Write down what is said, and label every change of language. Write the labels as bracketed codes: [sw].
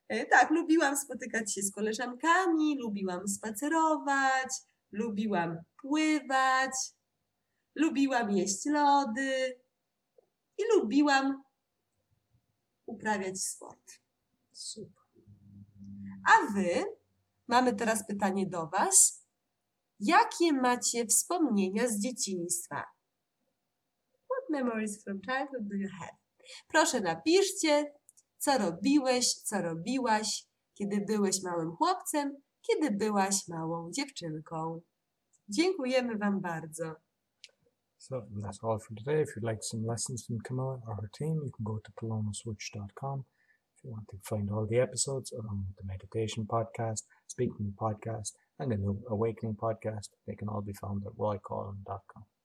[pl] Tak, lubiłam spotykać się z koleżankami, lubiłam spacerować, lubiłam pływać, lubiłam jeść lody. I lubiłam uprawiać sport. Super. A wy, mamy teraz pytanie do was. Jakie macie wspomnienia z dzieciństwa? [en] What memories from childhood do you have? [pl] Proszę napiszcie, co robiłeś, co robiłaś, kiedy byłeś małym chłopcem, kiedy byłaś małą dziewczynką. Dziękujemy wam bardzo. [en] So that's all for today. If you'd like some lessons from Camilla or her team, you can go to palomaswitch.com. If you want to find all the episodes along with the meditation podcast, speaking podcast, and the new awakening podcast, they can all be found at roycolin.com.